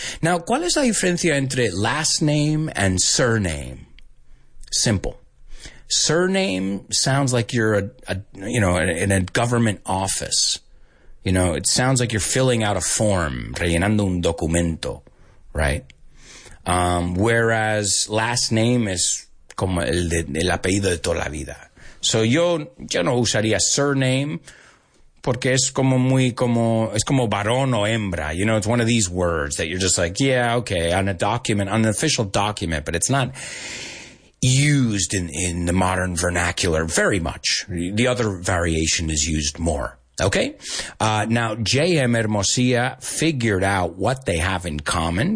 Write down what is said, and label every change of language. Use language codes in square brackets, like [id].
[es] Now, ¿cuál es la diferencia entre [en] last name and surname? [es] Simple. [en] Surname sounds like you're in a government office. You know, it sounds like you're filling out a form, [es] rellenando un documento, [en] right? Whereas last name is [es] como el apellido de toda la vida. So yo no usaría surname. Porque es como muy como, es como varón o hembra. [en] You know, it's one of these words that you're just like, yeah, okay, on a document, on an official document, but it's not used in the modern vernacular very much. The other variation is used more. Okay? Now, J.M. Hermosilla figured out what they have in common.